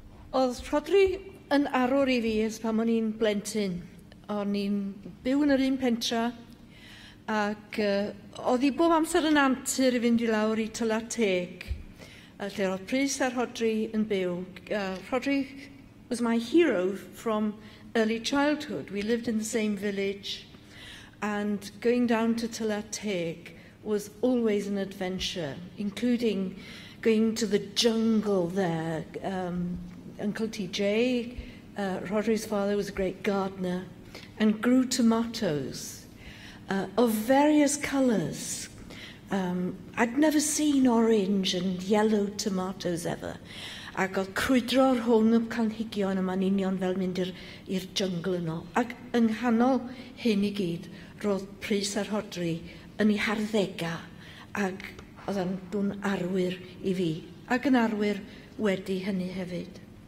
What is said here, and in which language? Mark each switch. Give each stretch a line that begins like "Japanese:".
Welsh: Oedd Rhodri yn arwr i fi ers pan o'n i'n blentyn. O'n i'n byw yn yr un pentra. Ac oedd hi bob amser yn antur i fynd i lawr i tyla'r teg, lle roedd Pris a Rhodri yn byw.
English: Rhodri was my hero from early childhood. We lived in the same village, and going down to tyla'r teg was always an adventure, including going to the jungle there. Uncle TJ, Rhodri's father, was a great gardener, and grew tomatoes. Of various colours. I'd never seen orange and yellow tomatoes ever.
Welsh: Ac oedd crwydro'r hwn y planhigion yma yn union fel mynd i'r jungle yno. Ac yng nghanol hyn i gyd, roedd Pris a Rhodri yn ei harddega. Ac oedd yn arwyr i fi. Ac yn arwyr wedi hynny hefyd.